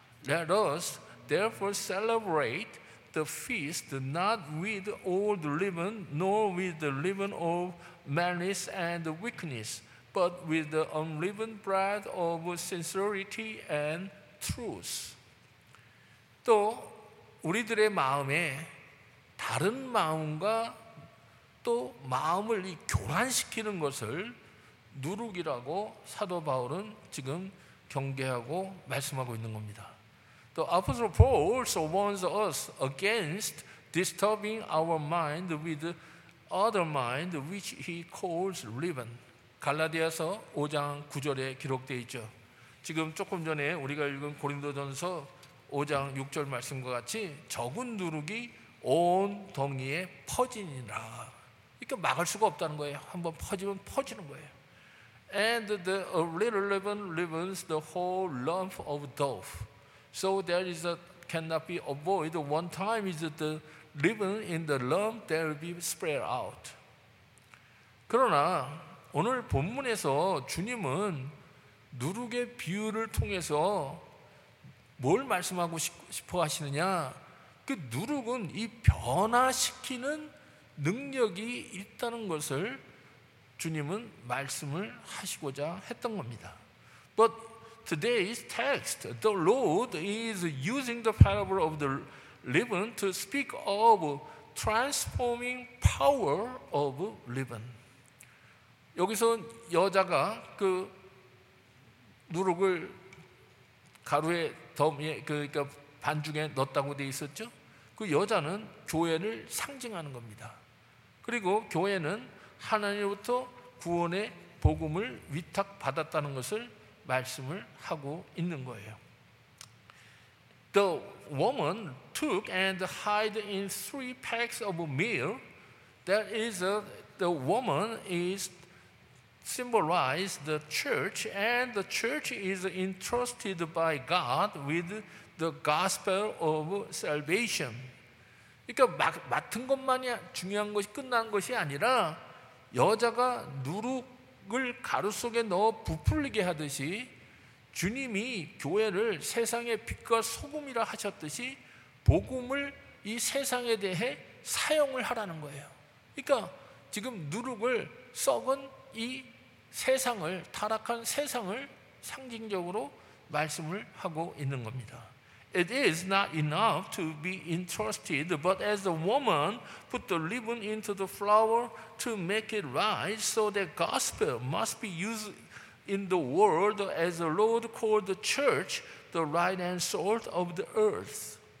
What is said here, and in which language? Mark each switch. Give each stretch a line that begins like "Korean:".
English: Let us therefore celebrate the feast not with old leaven, nor with the leaven of malice and weakness, but with the unleavened bread of sincerity and truth.
Korean: 또 우리들의 마음에 다른 마음과 또 마음을 교란시키는 것을 누룩이라고 사도 바울은 지금 경계하고 말씀하고 있는 겁니다.
English: The Apostle Paul also warns us against disturbing our mind with other mind which he calls leaven.
Korean: 갈라디아서 5장 9절에 기록되어 있죠. 지금 조금 전에 우리가 읽은 고린도전서 5장 6절 말씀과 같이 적은 누룩이 온 덩이에 퍼지니라. 그러니까 막을 수가 없다는 거예요. 한번 퍼지면 퍼지는 거예요.
English: And the little leaven leavens the whole lump of dough. So there is a cannot be avoided. One time is the leaven in the lump, there will be spread out.
Korean: 그러나 오늘 본문에서 주님은 누룩의 비유를 통해서 뭘 말씀하고 싶어 하시느냐? 그 누룩은 이 변화시키는 능력이 있다는 것을 주님은 말씀을 하시고자 했던 겁니다.
English: But today's text, the Lord is using the parable of the leaven to speak of transforming power of leaven.
Korean: 여기서 여자가 그 누룩을 가루에 더미에 그러니까 반죽에 넣었다고 돼 있었죠. 그 여자는 교회를 상징하는 겁니다. 그리고 교회는 하나님으로부터 구원의 복음을 위탁받았다는 것을 말씀을 하고 있는 거예요.
English: The woman took and hid in three packs of meal. That is, the woman is symbolized the church, and the church is entrusted by God with the gospel of salvation.
Korean: 그러니까 맡은 것만이 중요한 것이 끝난 것이 아니라 여자가 누룩을 가루 속에 넣어 부풀리게 하듯이 주님이 교회를 세상의 빛과 소금이라 하셨듯이 복음을 이 세상에 대해 사용을 하라는 거예요. 그러니까 지금 누룩을 썩은 이 세상을 타락한 세상을 상징적으로 말씀을 하고 있는 겁니다.
English: It is not enough to be entrusted, but as the woman put the leaven into the flour to make it rise, so the gospel must be used in the world as the Lord called the church, the light and salt of the earth.